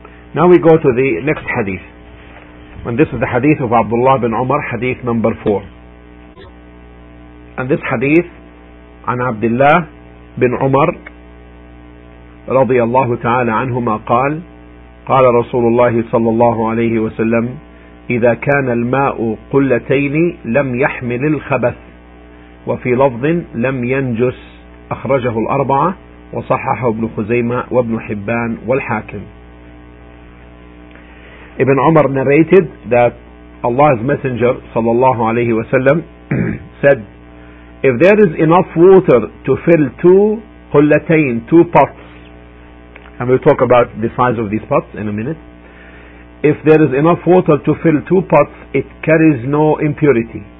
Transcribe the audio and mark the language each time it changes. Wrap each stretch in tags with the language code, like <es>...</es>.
<en>Now we go to the next hadith, and this is the hadith of Abdullah bin Umar, hadith number 4. And this hadith</en> <ar>عن عبد الله بن عمر رضي الله تعالى عنهما قال قال رسول الله صلى الله عليه وسلم إذا كان الماء قلتين لم يحمل الخبث وفي لفظ لم ينجس أخرجه الأربعة وصححه ابن خزيمة وابن حبان والحاكم.</ar> <en>Ibn Umar narrated that Allah's Messenger صلى الله عليه وسلم said, if there is enough water to fill two qullatayn, two pots, and we'll talk about the size of these pots in a minute, if there is enough water to fill two pots, it carries no impurity.</en>